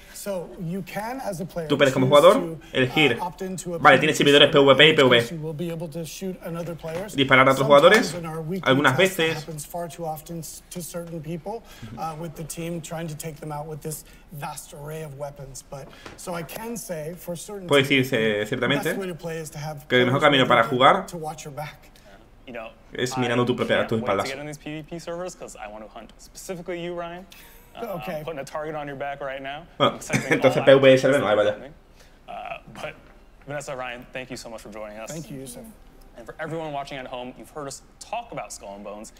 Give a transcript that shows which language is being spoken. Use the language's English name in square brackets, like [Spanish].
[English] So you can, as a player, [Spanish] tú puedes como jugador elegir. Vale, tienes servidores PvP y PvE. [English] We'll be able to shoot another player. [Spanish] Disparar a otros jugadores. Algunas veces. [English] Happens far too often to certain people with the team trying to take them out with this vast array of weapons. But so I can say for certain. [Spanish] Puedo decir ciertamente que el mejor camino para jugar. [English] To watch your back. You know, [Spanish] es mirando tu propia tu espalda. [English] I'm getting these PvP servers because I want to hunt specifically you, Ryan. Okay. I'm putting a target on your back right now. [Spanish] Entonces PvP server no hay, vaya. [English] But Vanessa, Ryan, thank you so much for joining us. Thank you, Yusuf. And for everyone watching at home, you've heard us talk about Skull and Bones.